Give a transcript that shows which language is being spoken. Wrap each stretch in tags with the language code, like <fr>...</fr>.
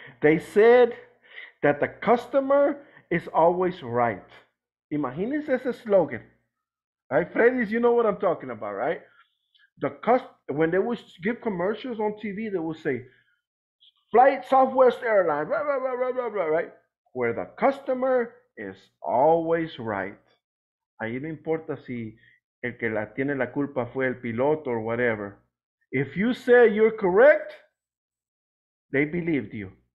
<en>They said that the customer is always right.</en> <es>Imagínense ese slogan.</es> <en>Right, Freddy's, you know what I'm talking about, right? When they would give commercials on TV, they would say, flight Southwest Airlines, blah, blah, blah, blah, blah, blah, right? Where the customer is always right.</en> <es>Ahí no importa si el que la tiene la culpa fue el piloto</es> <en>or whatever. If you say you're correct, they believed you.</en>